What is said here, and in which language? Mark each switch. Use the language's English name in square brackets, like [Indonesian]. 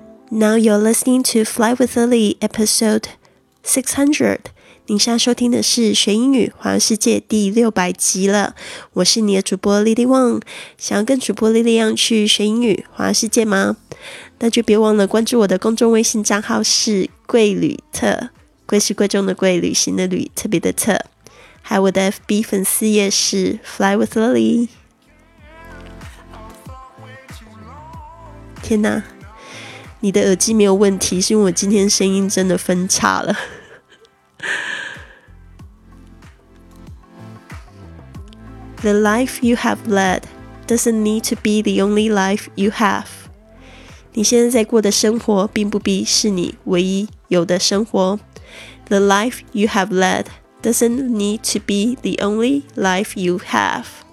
[English] Now you're listening to Fly with Lily, episode 600. [Chinese] 您现在收听的是学英语环游世界第600集了。我是你的主播 Lily Wang。想要跟主播 Lily 一样去学英语环游世界吗？那就别忘了关注我的公众微信账号是贵旅特。贵是贵重的贵，旅行的旅，特别的特。还有我的 FB 粉丝页是 Fly with Lily。天哪，你的耳机没有问题，是因为我今天声音真的分叉了。 [English] The life you have led doesn't need to be the only life you have. [Chinese] 你现在在过的生活并不必是你唯一有的生活。 [English] The life you have led doesn't need to be the only life you have.